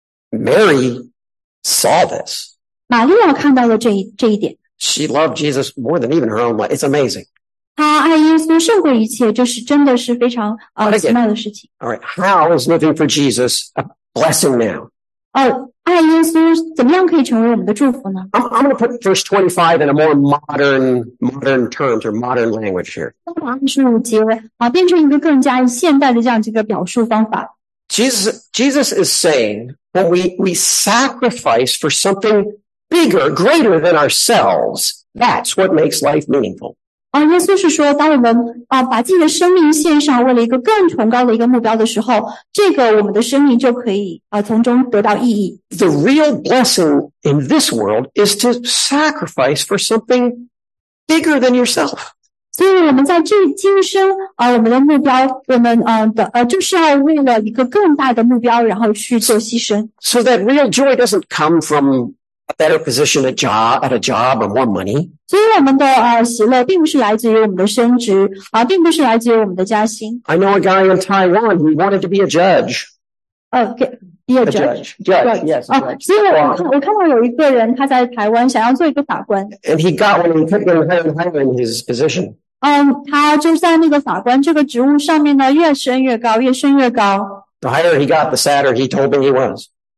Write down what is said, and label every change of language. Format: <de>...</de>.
<en>Mary saw this.</en> <zh>玛利亚看到了这一点。</zh> <en>She loved Jesus more than even her own life. It's amazing.</en> <zh>他爱耶稣胜过一切，这是真的是非常奇妙的事情。</zh> <en>All right, how is living for Jesus a blessing now?</en> <zh>爱耶稣怎么样可以成为我们的祝福呢</zh> <en>？I'm going to put verse 25 in a more modern terms or modern language here.</en> <zh>25节变成一个更加现代的这样一个表述方法。</zh> <en>Jesus is saying when we sacrifice for something bigger, greater than ourselves, that's what makes life meaningful.</en> <zh>耶稣是说当我们把自己的生命献上为了一个更崇高的一个目标的时候这个我们的生命就可以从中得到意义。</zh> <en>The real blessing in this world is to sacrifice for something bigger than yourself.</en> <zh>所以我们在这今生我们的目标我们就是要为了一个更大的目标然后去做牺牲。</zh> <en>So that real joy doesn't come from a better position at a job or more money.</en> <zh>所以我们的喜乐并不是来自于我们的升职并不是来自于我们的加薪。</zh> <en>I know a guy in Taiwan who wanted to be a judge. Judge. Yes, a judge.</en> <zh>所以我看到有一个人他在台湾想要做一个法官。</zh> <en>And he got one and he couldn't get ahead of him in his position.</en> <zh>他就在那个法官这个职务上面呢越升越高越升越高。</zh> <en>The higher he got, the sadder he told me he was.</en>